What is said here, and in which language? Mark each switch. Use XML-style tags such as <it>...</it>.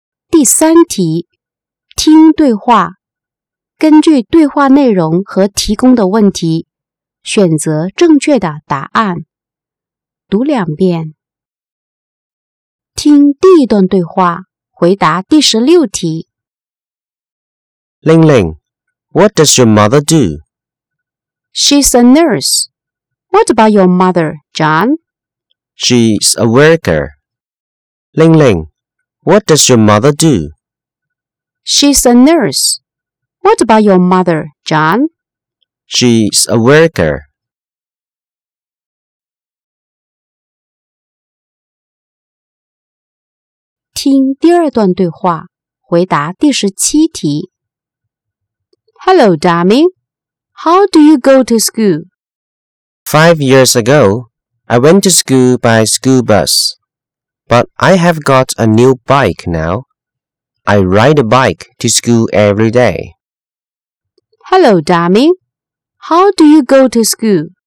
<zh>第三题，听对话，根据对话内容和提供的问题选择正确的答案，读两遍。听第一段对话，回答第十六题。</zh> <en>Ling Ling, what does your mother do? She's a nurse. What about your mother, John? She's a worker. Ling Ling, what does your mother do? She's a nurse. What about your mother, John? She's a worker.</en> <zh>听第二段对话，回答第十七题。</zh> <en>Hello, darling. How do you go to school? 5 years ago, I went to school by school bus. But I have got a new bike now. I ride a bike to school every day. Hello, darling. How do you go to school?</en>